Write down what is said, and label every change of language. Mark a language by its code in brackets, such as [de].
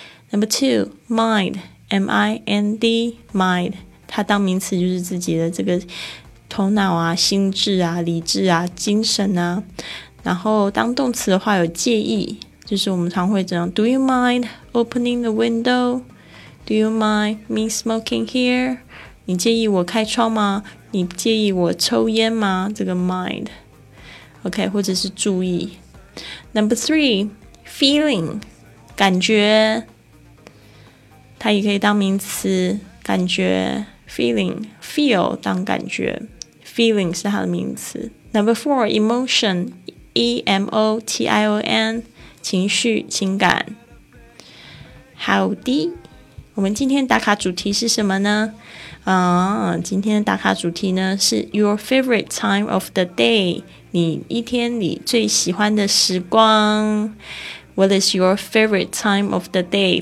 [zh] Number two， mind， mind， mind， 它当名词就是自己的这个头脑啊、心智啊、理智啊、精神啊。然后当动词的话有介意，就是我们常会这样 Do you mind opening the window? [en] Do you mind me smoking here? [zh] 你介意我开窗吗？你介意我抽烟吗？这个 mind OK， 或者是注意。 Number three， feeling， 感觉，它也可以当名词，感觉 feeling， feel 当感觉， feeling 是它的名词。 Number four， emotionEMOTION， 情绪、情感。好的，我们今天打卡主题是什么呢？今天打卡主题呢是 Your favorite time of the day，你一天里最喜欢的时光。 [en] What is your favorite time of the day？